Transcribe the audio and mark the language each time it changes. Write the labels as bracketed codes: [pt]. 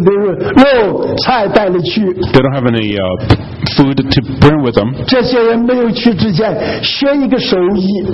[zh] 更没有什么罐头的肉菜带了去, [en] they don't have any food to bring with them. [zh] 这些人没有去之前, 学一个手艺,